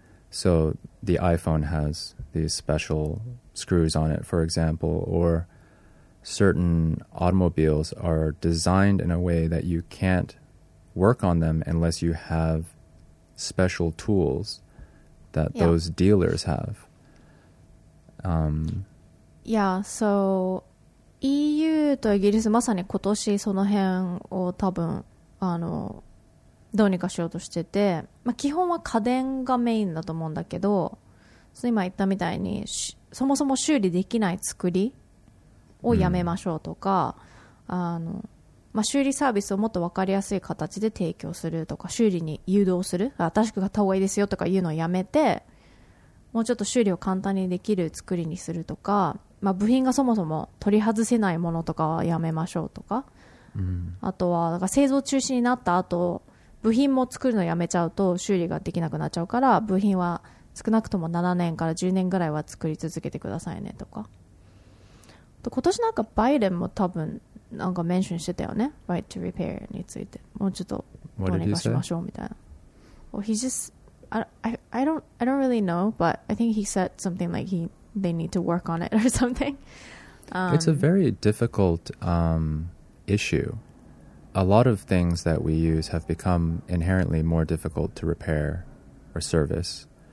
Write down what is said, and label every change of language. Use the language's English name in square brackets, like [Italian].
[English] So the iPhone has these special screws on it, for example, or certain automobiles are designed in a way that you can't work on them unless you have special tools that yeah. those dealers have. Yeah, so [Japanese] EU とイギリスまさに今年その辺を多分あのどうにかしようとしてて、まあ、基本は家電がメインだと思うんだけど、今言ったみたいにそもそも修理できない作りをやめましょうとか、うん、あのまあ、修理サービスをもっと分かりやすい形で提供するとか、修理に誘導する、新しく買った方がいいですよとかいうのをやめて、もうちょっと修理を簡単にできる作りにするとか、まあ、部品がそもそも取り外せないものとかはやめましょうとか、うん、あとはだから製造中止になった後部品も作るのやめちゃうと修理ができなくなっちゃうから、部品は少なくとも7年から10年ぐらいは作り続けてくださいねとか、今年なんかバイデンも多分なんかメンションしてたよね、 [English] Right to repair [Japanese] についてもうちょっとどうにかしましょうみたいな。 [English] Well, he just I don't really know, but I think he said something like they need to work on it or something. It's a very difficult issue. A lot of things that we use have become inherently more difficult to repair or service.